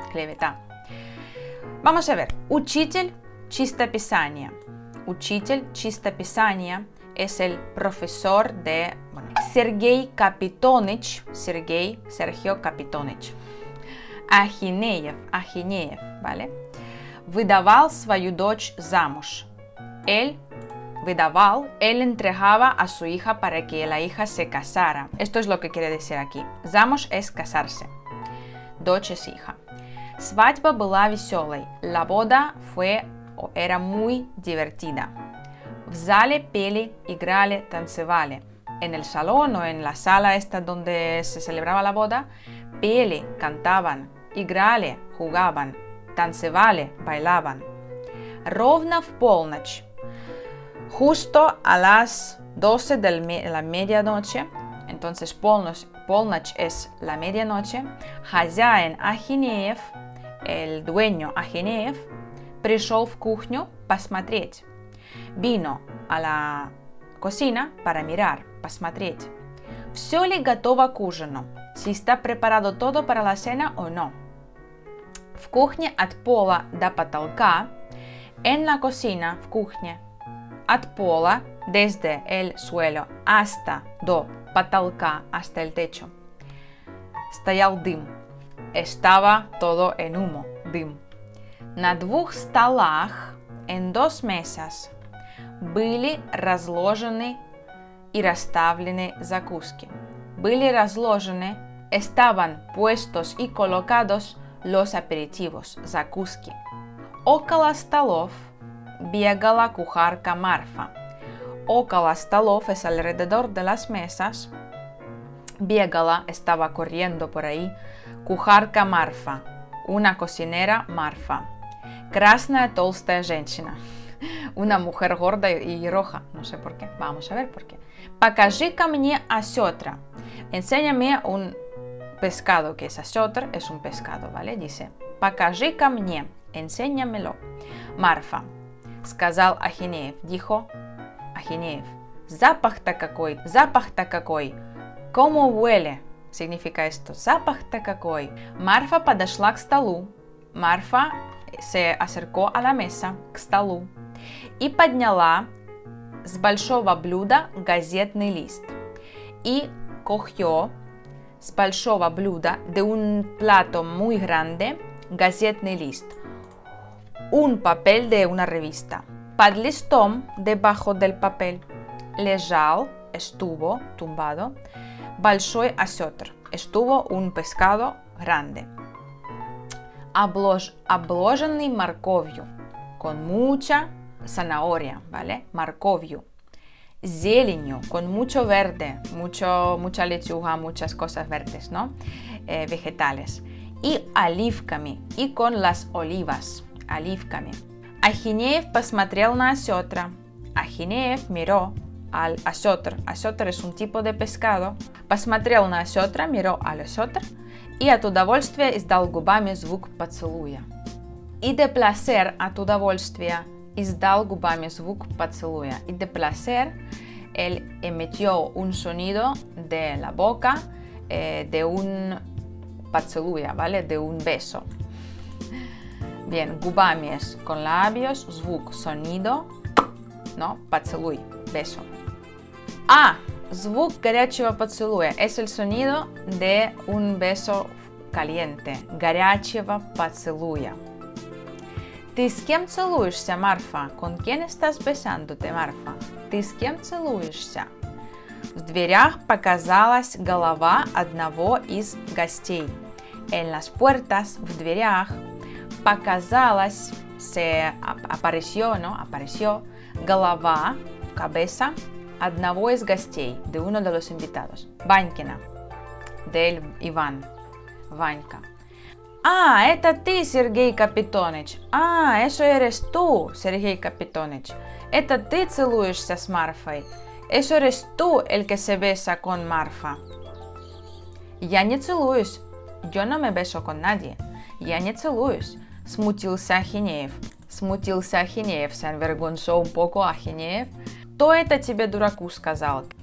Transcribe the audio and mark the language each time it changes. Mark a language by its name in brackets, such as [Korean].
[Russian] Kleveta. [Spanish] Vamos a ver. [Russian] Uchitel chista pisania. Uchitel chista pisania. [Spanish] Es el profesor de, bueno, Sergei Kapitonich, Sergei, Sergio Kapitonich, [Russian] Ахинеев, Ахинеев, [Spanish] ¿vale? [Russian] Выдавал свою дочь замуж. [Spanish] Él [Russian] выдавал, [Spanish] él entregaba a su hija para que la hija se casara. Esto es lo que quiere decir aquí. [Russian] Замуж [Spanish] es casarse. [Russian] Дочь [Spanish] es hija. [Russian] Свадьба была веселой. [Spanish] La boda fue, era muy divertida. [Russian] В зале пели, играли, танцевали. [Spanish] En el salón o en la sala esta donde se celebraba la boda, [Russian] пели, [Spanish] cantaban, [Russian] играли, [Spanish] jugaban, [Russian] танцевали, [Spanish] bailaban. [Russian] Ровно в полночь, [Spanish] justo a las 12 de la medianoche, entonces [Russian] полночь [Spanish] es la medianoche, [Russian] хозяин Ахинеев, [Spanish] el dueño Ахинеев, [Russian] пришел в кухню посмотреть. [Spanish] Vino a la cocina para mirar, [Russian] pasmatret. ¿Все ли готово к ужину? [Spanish] Si está preparado todo para la cena o no. [Russian] В кухне от пола до потолка. [Spanish] En la cocina, [Russian] в кухне. От пола, [Spanish] desde el suelo, hasta, [Russian] до потолка, [Spanish] hasta el techo. [Russian] Стоял дым. [Spanish] Estaba todo en humo, [Russian] дым. На двух столах, [Spanish] en 2 mesas. [Russian] Были разложены и расставлены закуски. Были разложены, [Spanish] estaban puestos y colocados los aperitivos, [Russian] закуски. Около столов бегала кухарка Марфа. Около столов [Spanish] es alrededor de las mesas. [Russian] Бегала, [Spanish] estaba corriendo por ahí, [Russian] кухарка Марфа, [Spanish] una cocinera Марфа. [Russian] Красная толстая женщина. [Spanish] Una mujer gorda y roja. No sé por qué. Vamos a ver por qué. [Russian] Покажи-ка мне осетра. [Spanish] Enséñame un pescado que es осетра. Es un pescado, ¿vale? Dice, [Russian] покажи-ка мне. [Spanish] Enséñamelo. [Russian] Марфа. Сказал Ахинеев. [Spanish] Dijo Ахинеев. [Russian] Запах-то какой. Запах-то какой. [Spanish] ¿Cómo huele? Significa esto. [Russian] Запах-то какой. Марфа подошла к столу. [Spanish] Марфа se acercó a la mesa. [Russian] К столу. И подняла с большого блюда газетный лист. И [Spanish] cogió [Russian] с большого блюда, [Spanish] de un plato muy grande, [Russian] газетный лист. [Spanish] Un papel de una revista. [Russian] Под листом, [Spanish] debajo del papel, [Russian] лежал, [Spanish] estuvo, tumbado, [Russian] большой осетр. [Spanish] Estuvo un pescado grande. [Russian] Обложенный морковью, [Spanish] con mucha zanahoria, ¿vale? [Russian] Морковью. Зеленью, [Spanish] con mucho verde, mucha lechuga, muchas cosas verdes, ¿no? Vegetales. Y [Russian] оливками, [Spanish] y con las olivas, оливками. [Russian] Ахинеев посмотрел на осетра. [Spanish] Ахинеев miró al осетр. Осетр es un tipo de pescado. [Russian] Посмотрел на осетра, [Spanish] miró al осетр. Y [Russian] от удовольствия издал губами звук поцелуя. [Spanish] Y de placer, [Russian] от удовольствия, издал губами звук поцелуя. [Spanish] Y de placer, él emitió un sonido de la boca, de un [Russian] поцелуя, [Spanish] ¿vale? De un beso. Bien, [Russian] губами [Spanish] es con labios, [Russian] звук, [Spanish] sonido, ¿no? [Russian] Поцелуй, [Spanish] beso. Ah, [Russian] звук горячего поцелуя, [Spanish] es el sonido de un beso caliente. [Russian] Горячего поцелуя. Ты с кем целуешься, Марфа? [Spanish] Con quién estás besándote, Марфа? [Russian] Ты с кем целуешься? В дверях показалась голова одного из гостей. [Spanish] En las puertas, [Russian] в дверях, показалась, [Spanish] se apareció, ¿no? Apareció [Russian] голова, [Spanish] cabeza, [Russian] одного из гостей, [Spanish] de uno de los invitados. [Russian] Ванькина, [Spanish] del [Russian] Иван, Ванька. А, это ты, Сергей Капитоныч. А, [Spanish] eso eres tú, Сергей Капитоныч. [Russian] Это ты целуешься с Марфой. [Spanish] Eso eres tú, el que se besa con Марфа. [Russian] Я не целуюсь. [Spanish] Yo no me beso con nadie. Я не целуюсь. [Russian] Смутился Ахинеев. Смутился Ахинеев. [Spanish] Se envergonzó un poco Ахинеев. [Russian] Кто это тебе дураку сказал?